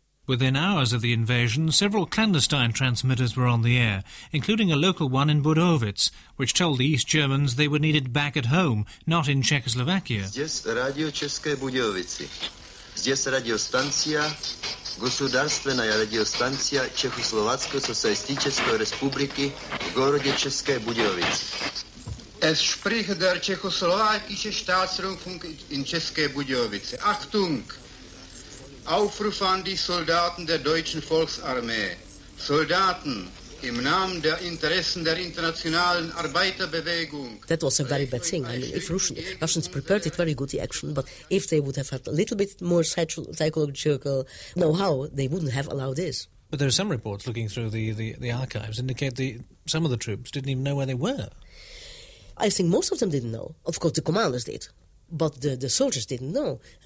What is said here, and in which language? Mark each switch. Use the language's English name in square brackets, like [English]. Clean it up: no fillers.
[English] Within hours of the invasion, several clandestine transmitters were on the air, including a local one in Budovice, which told the East Germans they were needed back at home, not in Czechoslovakia. [Russian] Здесь радио České Budějovice. Здесь радиостанция, государственная радиостанция Чехословацкой Социалистической Республики в городе České Budějovice. [German] Es spricht der tschechoslowakische Staatsrundfunk in České Budějovice. Achtung! Aufruf an die Soldaten der deutschen Volksarmee. Soldaten, im Namen der Interessen der internationalen Arbeiterbewegung. [English] That was a very bad thing. I mean, if Russians prepared it very good, the action, but if they would have had a little bit more psychological know-how, they wouldn't have allowed this. But there are some reports looking through the archives indicate the some of the troops didn't even know where they were. I think most of them didn't know. Of course, the commanders did. But the soldiers didn't know.